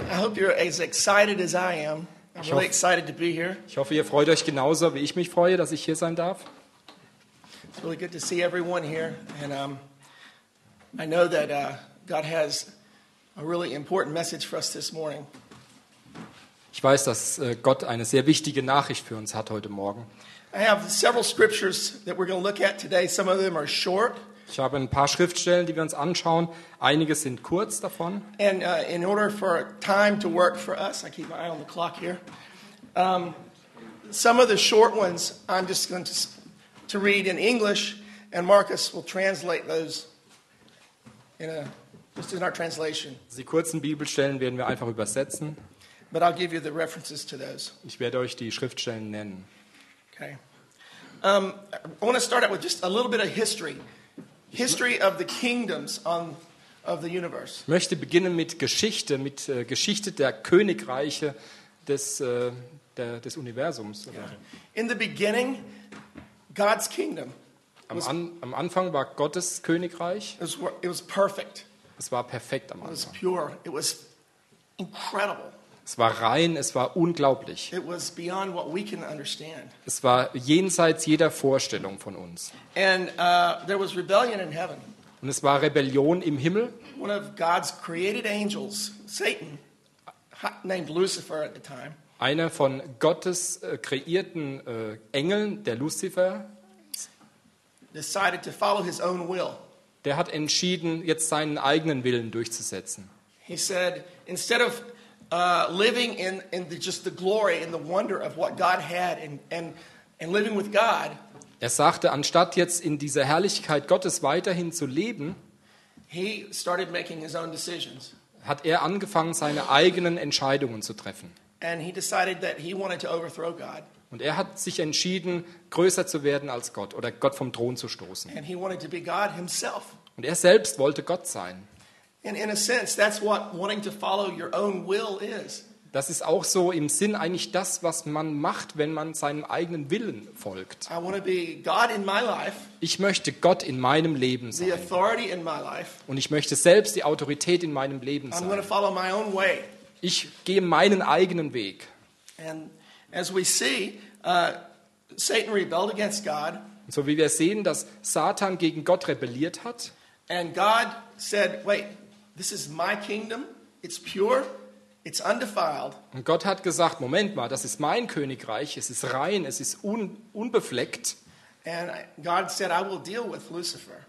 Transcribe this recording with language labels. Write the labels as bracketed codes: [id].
[en] I hope you're as excited as I am. I'm really excited to be here. [de] Ich hoffe, ihr freut euch genauso, wie ich mich freue, dass ich hier sein darf. [en] It's really good to see everyone here, and I know that God has a really important message for us this morning. [de] Ich weiß, dass Gott eine sehr wichtige Nachricht für uns hat heute Morgen. [en] I have several scriptures that we're going to look at today. Some of them are short. [de] Ich habe ein paar Schriftstellen, die wir uns anschauen. Einige sind kurz davon. [en] And in order for time to work for us, I keep my eye on the clock here. Some of the short ones, I'm just going to read in English, and Marcus will translate those in our translation. [de] Die kurzen Bibelstellen werden wir einfach übersetzen. [en] But I'll give you the references to those. [de] Ich werde euch die Schriftstellen nennen. [en] Okay. I want to start out with just a little bit of history. History of the kingdoms of the universe. [de] Ich möchte beginnen mit Geschichte der Königreiche des Universums. [en] Yeah. In the beginning, God's kingdom. [de] Am Anfang war Gottes Königreich. [en] It was perfect. [de] Es war perfekt am Anfang. [en] It was pure. It was incredible. [de] Es war rein. Es war unglaublich. [en] It was beyond what we can understand. [de] Es war jenseits jeder Vorstellung von uns. [en] And there was rebellion in heaven. [de] Und es war Rebellion im Himmel. [en] One of God's created angels, Satan, named Lucifer at the time. [de] Einer von Gottes kreierten Engeln, der Lucifer, [en] decided to follow his own will. [de] Der hat entschieden, jetzt seinen eigenen Willen durchzusetzen. [en] He said, instead of living in the, just the glory and the wonder of what God had and living with God. [de] Er sagte, anstatt jetzt in dieser Herrlichkeit Gottes weiterhin zu leben, [en] he started making his own decisions. [de] Hat er angefangen, seine eigenen Entscheidungen zu treffen. [en] And he decided that he wanted to overthrow God. [de] Und er hat sich entschieden, größer zu werden als Gott oder Gott vom Thron zu stoßen. [en] And he wanted to be God himself. [de] Und er selbst wollte Gott sein. [en] And in a sense, that's what wanting to follow your own will is. [de] Das ist auch so im Sinn eigentlich das, was man macht, wenn man seinem eigenen Willen folgt. [en] I want to be God in my life. [de] Ich möchte Gott in meinem Leben sein. [en] The authority in my life. [de] Und ich möchte selbst die Autorität in meinem Leben sein. [en] I'm going to follow my own way. [de] Ich gehe meinen eigenen Weg. [en] And as we see, Satan rebelled against God. [de] So wie wir sehen, dass Satan gegen Gott rebelliert hat. [en] And God said, wait. This is my kingdom. It's pure. It's undefiled. [de] Und Gott hat gesagt, Moment mal, das ist mein Königreich. Es ist rein, es ist unbefleckt. [en] And God said, I will deal with Lucifer.